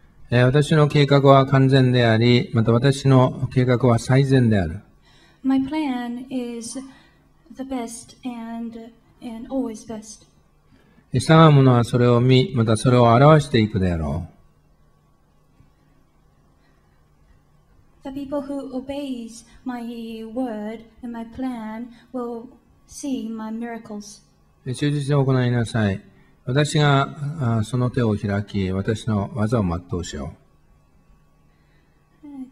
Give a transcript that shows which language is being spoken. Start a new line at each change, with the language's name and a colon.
Japanese: 私の計画は完全であり、また私の計画は最善である。
English: My plan is the best and always best.
Japanese: 従う者はそれを見、またそれを表していくであろう。
English: The people who obeys my word and my plan will. Seeing my miracles.
Japanese: 忠実に行いなさい。私がその手を開き、私の技を全うしよう。